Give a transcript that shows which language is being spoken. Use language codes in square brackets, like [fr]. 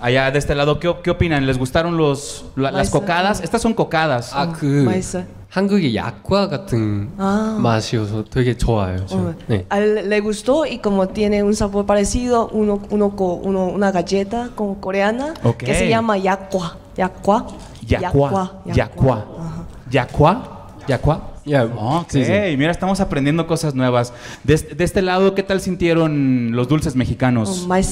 [es] Allá de este lado, ¿qué opinan? ¿Les gustaron las cocadas? Estas son cocadas. Ah, que. [ko] 한국의 약과 같은 맛이어서 되게 좋아요. [es] 아, le gustó y como tiene un sabor parecido, una galleta como coreana okay. Que se llama yakgwa. Yakgwa. Yakgwa. Yakgwa. Yakgwa. Yakgwa. [en] Yeah. [es] Ok, sí. Mira, estamos aprendiendo cosas nuevas. De este lado, ¿qué tal sintieron los dulces mexicanos?